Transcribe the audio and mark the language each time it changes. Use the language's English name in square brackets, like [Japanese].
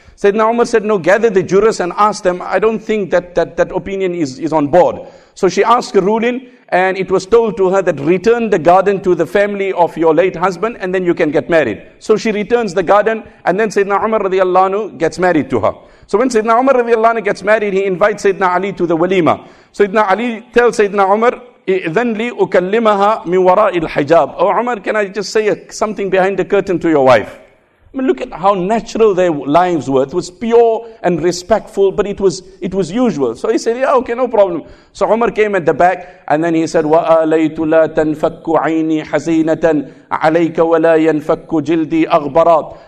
[English] Sayyidina Umar said, no, gather the jurors and ask them. I don't think that opinion is on board. So she asked Rulin, and it was told to her that return the garden to the family of your late husband and then you can get married. So she returns the garden, and then Sayyidina Umar radiallahu anhu gets married to her. So when Sayyidina Umar radiallahu anhu gets married, he invites Sayyidina Ali to the walima. Sayyidina Ali tells Sayyidina Umar, [Arabic] إِذَنْ لِي أُكَلِّمَهَا مِنْ وَرَاءِ الْحِجَابِ. [English] Oh Umar, can I just say something behind the curtain to your wife? I mean, look at how natural their lives were. It was pure and respectful, but it was usual. So he said, yeah, okay, no problem. So Umar came at the back, and then he said, [Arabic] وَآلَيْتُ لَا تَنْفَكُ عَيْنِي حَزِينَةً عَلَيْكَ وَلَا يَنْفَكُ جِلْدِي أَغْبَرَاتِ.